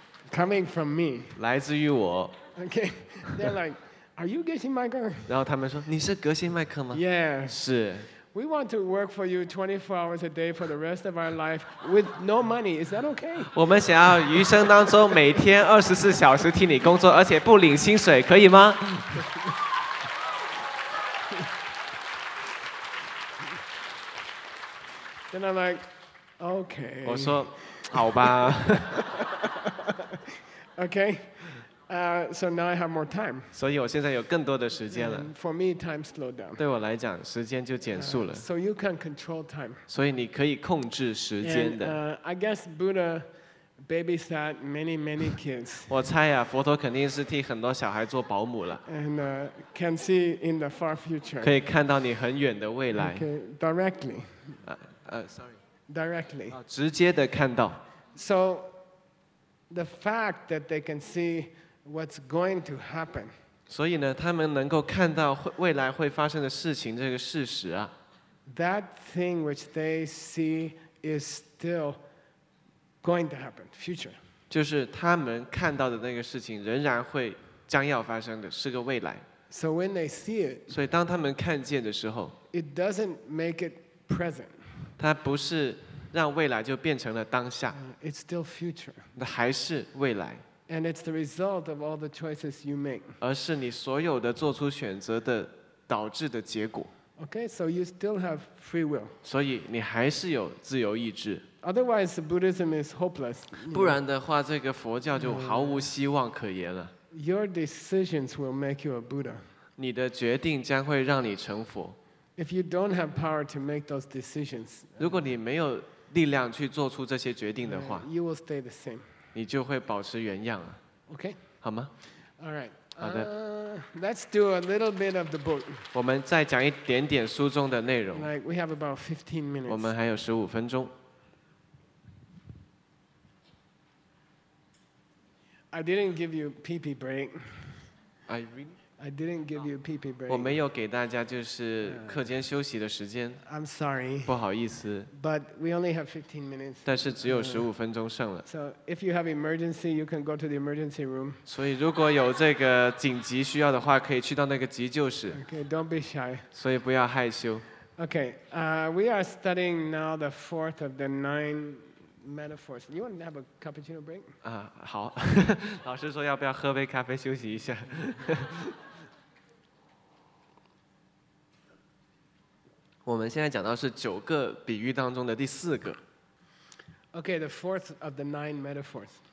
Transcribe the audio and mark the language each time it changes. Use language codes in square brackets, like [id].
[en] Coming from me. [zh] 来自于我。 [en] Okay, they're like, "Are you Geshe Michael?" [zh] 然后他们说：“你是格西麦克吗 [en] ？”Yeah. [zh] 是。 [en] We want to work for you 24 hours a day for the rest of our life with no money. Is that okay? [zh] 我们想要余生当中每天24小时替你工作，而且不领薪水，可以吗？ [en] And I'm like, okay. [zh] 我说，好吧。 [en] Okay. So now I have more time. [zh] 所以我现在有更多的时间了。 [en] And for me, time slowed down. [zh] 对我来讲，时间就减速了。 [en] So you can control time. [zh] 所以你可以控制时间的。 [en] And I guess Buddha babysat many, many kids. [zh] 我猜呀，佛陀肯定是替很多小孩做保姆了。 [en] And can see in the far future. [zh] 可以看到你很远的未来。 [en] Okay, directly. Sorry. Directly. [zh] 直接的看到。 [en] So, the fact that they can see what's going to happen. [zh] 所以呢，他们能够看到未来会发生的事情这个事实啊。 [en] That thing which they see is still going to happen, future. [zh] 就是他们看到的那个事情仍然会将要发生的，是个未来。 [en] So when they see it. [zh] 所以当他们看见的时候 [en] ，It doesn't make it present. [zh] 它不是让未来就变成了当下 [en] It's still future. [zh] 那还是未来 [en] And it's the result of all the choices you make. [zh] 而是你所有的做出选择的导致的结果 [en] Okay, so you still have free will. [zh] 所以你还是有自由意志 [en] Otherwise, Buddhism is hopeless. [zh] 不然的话这个佛教就毫无希望可言了 [en] Your decisions will make you a Buddha. [zh] 你的决定将会让你成佛 [en] If you don't have power to make those decisions, [zh] 如果你没有力量去做出这些决定的话 [en] you will stay the same. [zh] 你就会保持原样啊。 [en] Okay. [zh] 好吗？ [en] All right. [zh] 好的。 [en] Let's do a little bit of the book. [zh] 我们再讲一点点书中的内容。 [en] Like we have about 15 minutes. [zh] 我们还有15分钟。 [en] I didn't give you pee-pee break. I really? I didn't give you pee pee break. [zh] 我没有给大家就是课间休息的时间。 [en] I'm sorry. [zh] 不好意思。 [en] But we only have 15 minutes. [zh] 但是只有15分钟剩了。 [en] So if you have emergency, you can go to the emergency room. [zh] 所以如果有这个紧急需要的话，可以去到那个急救室。 [en] Okay, don't be shy. [zh] 所以不要害羞。 [en] Okay, we are studying now the fourth of the nine metaphors. You want to have a cappuccino break? [zh] 好。老师说要不要喝杯咖啡休息一下。我们现在讲到是九个比喻当中的第四个。 [en] Okay, the fourth of the nine metaphors.